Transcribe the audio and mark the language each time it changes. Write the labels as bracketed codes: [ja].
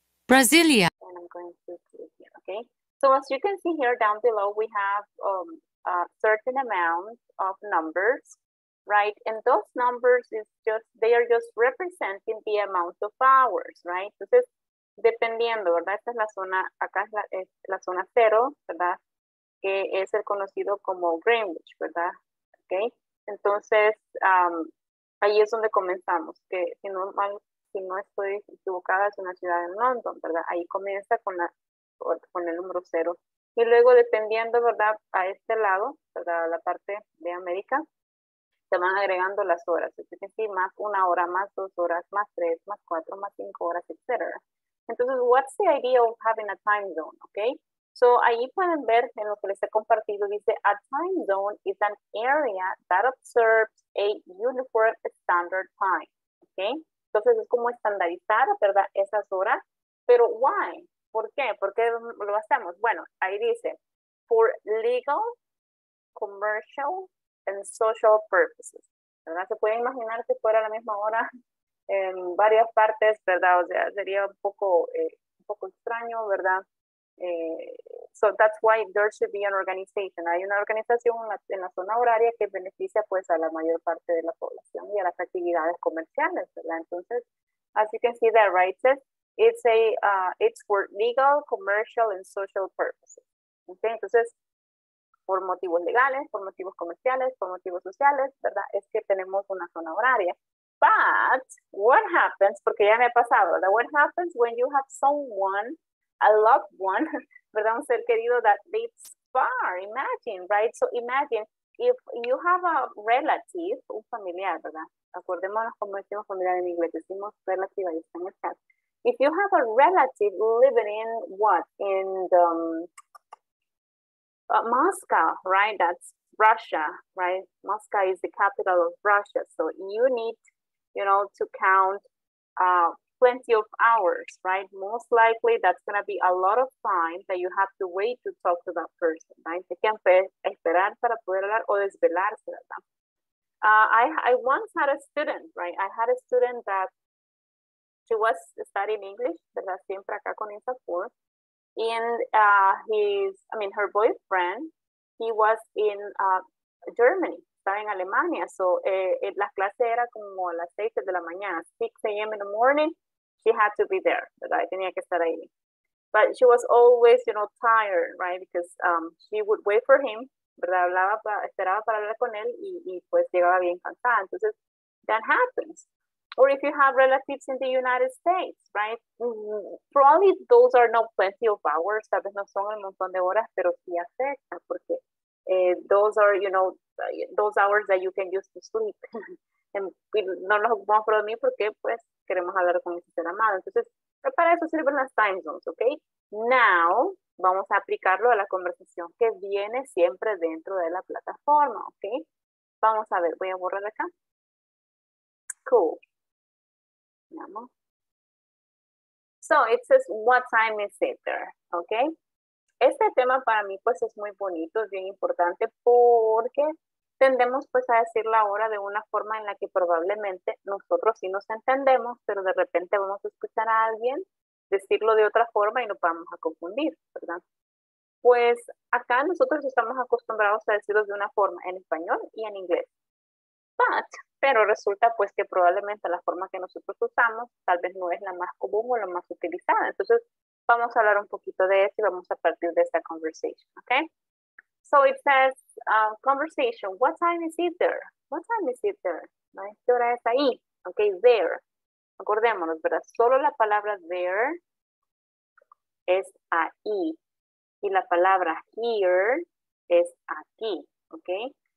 [en] Brasilia. And I'm going to put it here, okay? So as you can see here down below, we have a certain amount of numbers, right? And those numbers is just, they are just representing the amount of hours, right? So this, [es] dependiendo, ¿verdad? Esta es la zona, acá es la zona cero, ¿verdad? Que es el conocido como Greenwich, ¿verdad? Okay. Entonces, ahí es donde comenzamos, que si no estoy equivocada, es una ciudad en London, ¿verdad? Ahí comienza con el número cero. Y luego, dependiendo, ¿verdad? A este lado, ¿verdad? La parte de América, se van agregando las horas. Es decir, más una hora, más dos horas, más tres, más cuatro, más cinco horas, etcétera. Entonces, [en] what's the idea of having a time zone, okay? So, [es] ahí pueden ver en lo que les he compartido, dice, [en] a time zone is an area that observes a uniform standard time, okay? [es] Entonces, es como estandarizar, ¿verdad? Esas horas. Pero, [en] why? [es] ¿Por qué? ¿Por qué lo hacemos? Bueno, ahí dice, [en] for legal, commercial, and social purposes, [es] ¿verdad? Se puede imaginar si fuera a la misma hora en varias partes, ¿verdad? O sea, sería un poco extraño, ¿verdad? [en] So that's why there should be an organization. [es] Hay una organización en la zona horaria que beneficia, pues, a la mayor parte de la población y a las actividades comerciales, ¿verdad? [en] Entonces, as you can see there, right? It's for legal, commercial, and social purposes. Okay, [es] entonces, por motivos legales, por motivos comerciales, por motivos sociales, ¿verdad? Es que tenemos una zona horaria. [en] But what happens, [es] porque ya me ha pasado, ¿verdad? [en] What happens when you have someone, a loved one, [es] ¿verdad? Un ser querido [en] that lives far. Imagine, right? So imagine if you have a relative, [es] un familiar, ¿verdad? Acordémonos cómo decimos familiar en inglés, decimos relative, ahí está en el caso. [en] If you have a relative living in what? In the Moscow, right? That's Russia, right? Moscow is the capital of Russia. So you need, you know, to count plenty of hours, right? Most likely that's going to be a lot of time that you have to wait to talk to that person, right? [es] Se can esperar para poder hablar o desvelarse, ¿verdad? [en] I once had a student, right? I had a student that she was studying English, [es] ¿verdad? Siempre acá con esa por. [en] And his, I mean, her boyfriend, he was in Germany, [es] estaba en Alemania. So la clase era como a las 6 de la mañana, 6 a.m. [en] in the morning, she had to be there, [es] ¿verdad? Tenía que estar ahí. [en] But she was always, you know, tired, right? Because she would wait for him, [es] ¿verdad? Hablaba, esperaba para hablar con él y pues llegaba bien cansada. Entonces, [en] that happens. Or if you have relatives in the United States, right? Probably those are not plenty of hours. [es] Tal vez no son un montón de horas, pero sí afecta porque [en] those are, you know, those hours that you can use to sleep. [es] Y no nos ocupamos por dormir porque, pues, queremos hablar con ese ser amado. Entonces, para eso sirven las time zones, ¿ok? Now, vamos a aplicarlo a la conversación que viene siempre dentro de la plataforma, ¿ok? Vamos a ver, voy a borrar acá. Cool. So it says, what time is it there? Okay. Este tema para mí pues es muy bonito, es bien importante porque tendemos pues a decir la hora de una forma en la que probablemente nosotros sí nos entendemos, pero de repente vamos a escuchar a alguien decirlo de otra forma y nos vamos a confundir, ¿verdad? Pues acá nosotros estamos acostumbrados a decirlo de una forma en español y en inglés. Pero resulta pues que probablemente la forma que nosotros usamos tal vez no es la más común o la más utilizada. Entonces vamos a hablar un poquito de eso y vamos a partir de esta conversation, okay? [en] So it says, conversation, what time is it there? What time is it there? [es] ¿No? ¿Qué hora es ahí? [en] Okay, there. [es] Acordémonos, ¿verdad? Solo la palabra there es ahí. Y la palabra here es aquí, okay?